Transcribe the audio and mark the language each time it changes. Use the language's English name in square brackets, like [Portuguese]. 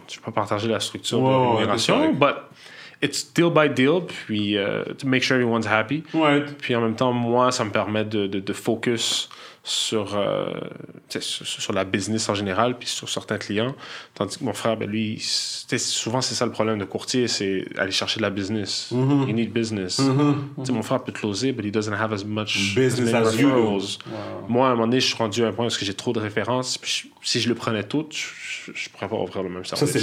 [French] Je ne vais pas partager la structure de l'immigration, [English] but it's deal by deal, [French] puis [English] to make sure everyone's happy. Right. [French] Puis en même temps, moi, ça me permet de focus sur, sur la business en général, puis sur certains clients. Tandis que mon frère, ben lui, souvent c'est ça le problème de courtier, c'est aller chercher de la business. Mm-hmm. [English] You need business. Mm-hmm. [French] Mon frère peut closer, [English] but he doesn't have as much business as you. [French] Moi, à un moment donné, je suis rendu à un point parce que j'ai trop de références, puis si je le prenais toutes, je pourrais pas offrir le même service.